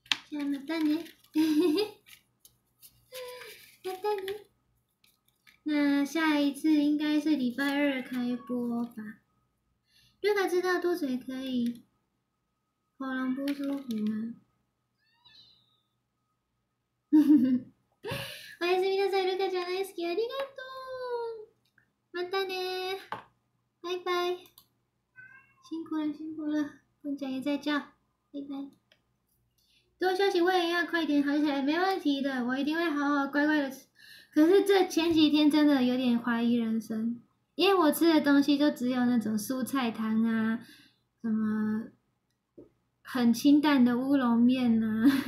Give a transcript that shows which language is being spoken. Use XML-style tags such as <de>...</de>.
<ja>じゃあまたね。またね。</ja> <zh>那下一次应该是礼拜二开播吧。 Luca 知道肚子也可以，喉咙不舒服吗？</zh> <ja>おやすみなさい、ルカちゃん大好き、ありがとう。またね、バイバイ。</ja> <zh>辛苦了辛苦了、ぽんちゃん也在叫、バイバイ。多休息、我也要快点好起来、没问题的、我一定会好好乖乖的。可是这前几天真的有点怀疑人生、因为我吃的东西就只有那种蔬菜汤啊、什么很清淡的乌龙面啊。</zh>